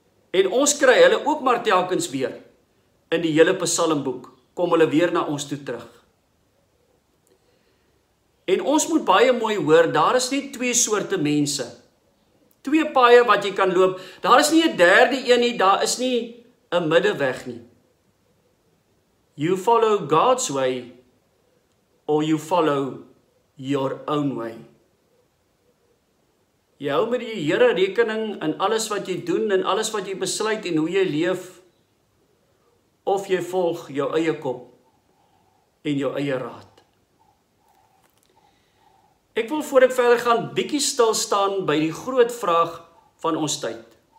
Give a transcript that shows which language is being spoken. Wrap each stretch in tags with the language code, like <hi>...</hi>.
<af>En ons kry hulle ook maar telkens weer in die hele Psalmboek, kom hulle weer na ons toe terug. En ons moet baie mooi hoor, daar is nie twee soorte mense, twee paaie wat jy kan loop, daar is nie 'n derde een nie, daar is nie 'n middeweg nie.</af> <en>You follow God's way, or you follow your own way.</en> <af>Jy hou met die Here rekening in alles wat jy doen, en alles wat jy besluit en hoe jy leef, of jy volg jou eie kop en jou eie raad. Ek wil voor ek verder gaan, bietjie stil staan by die groot vraag van ons tyd.</af>